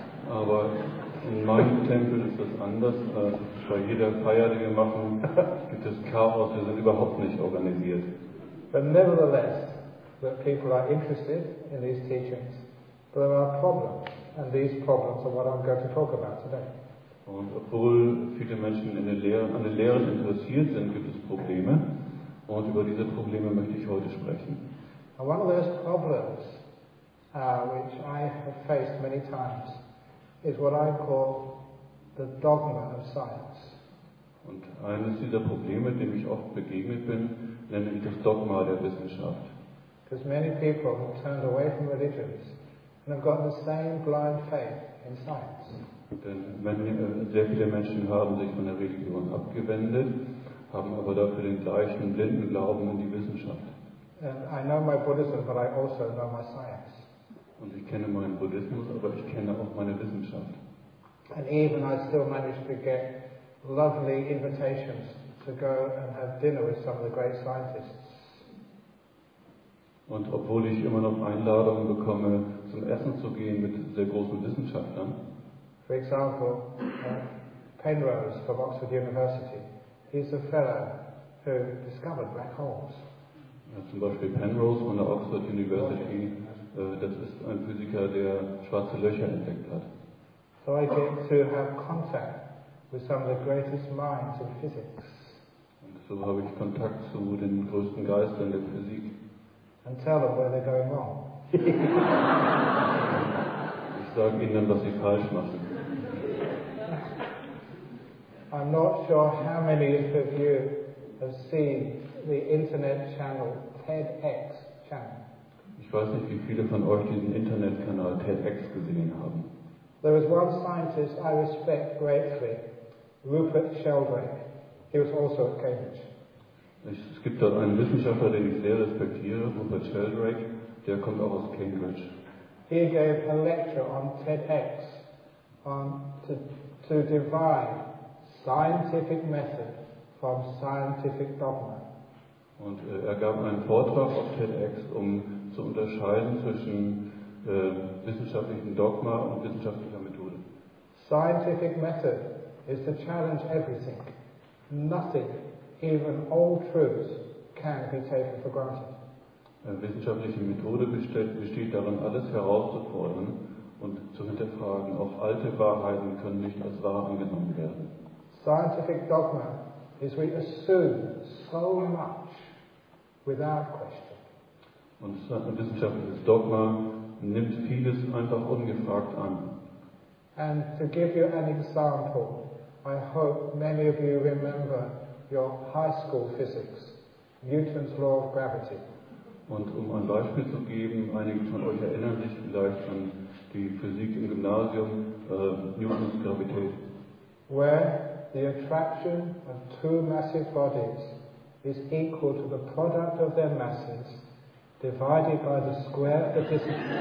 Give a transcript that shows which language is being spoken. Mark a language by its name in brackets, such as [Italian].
[German] Aber in meinem Tempel ist das anders. Bei jeder Feier, die wir machen, gibt es Chaos. Wir sind überhaupt nicht organisiert. [English] But nevertheless, that people are interested in these teachings, but there are problems, and these problems are what I'm going to talk about today. [German] Und obwohl viele Menschen an den Lehren interessiert sind, gibt es Probleme. Und über diese Probleme möchte ich heute sprechen. [English] And one of those problems, which I have faced many times, is what I call the dogma of science. [German] Und eines dieser Probleme, dem ich oft begegnet bin, nenne ich das Dogma der Wissenschaft. [English] Because many people have turned away from religions and have got the same blind faith in science. [German] Denn sehr viele Menschen haben sich von der Religion abgewendet, haben aber dafür den gleichen blinden Glauben an die Wissenschaft. [English] And I know my Buddhism, but I also know my science. [German] Und ich kenne meinen Buddhismus, aber ich kenne auch meine Wissenschaft. [English] And even I still manage to get lovely invitations to go and have dinner with some of the great scientists. [German] Und obwohl ich immer noch Einladungen bekomme, zum Essen zu gehen mit sehr großen Wissenschaftlern. [English] For example, Penrose from Oxford University. He's a fellow who discovered black holes. [German] zum Beispiel Penrose von der Oxford University, das ist ein Physiker, der schwarze Löcher entdeckt hat. [English] So I get to have contact with some of the greatest minds in physics. [German] Und so habe ich Kontakt zu den größten Geistern der Physik. [English] And tell them where they're going wrong. [German] Ich sage ihnen dann, was sie falsch machen. [English] I'm not sure how many of you have seen the internet channel TEDx channel. [German] Ich weiß nicht, wie viele von euch diesen Internetkanal TEDx gesehen haben. [English] There was one scientist I respect greatly, Rupert Sheldrake. He was also at Cambridge. [German] Es gibt dort einen Wissenschaftler, den ich sehr respektiere, Rupert Sheldrake. Der kommt auch aus Cambridge. [English] He gave a lecture on TEDx on to divide scientific method from scientific dogma. [German] Und gab einen Vortrag auf TEDx, um zu unterscheiden zwischen wissenschaftlichem Dogma und wissenschaftlicher Methode. [English] Scientific method is to challenge everything. Nothing, even all truths, can be taken for granted. [German] Wissenschaftliche Methode besteht darin, alles herauszufordern und zu hinterfragen. Auch alte Wahrheiten können nicht als wahr angenommen werden. [English] Scientific dogma is we assume so much without question. [German] Und wissenschaftliches Dogma nimmt vieles einfach ungefragt an. [English] And to give you an example, I hope many of you remember your high school physics, Newton's law of gravity. [German] Und um ein Beispiel zu geben, einige von euch erinnern sich vielleicht an die Physik im Gymnasium, Newton's Gravität. [English] Where the attraction of two massive bodies is equal to the product of their masses divided by the square of the distance.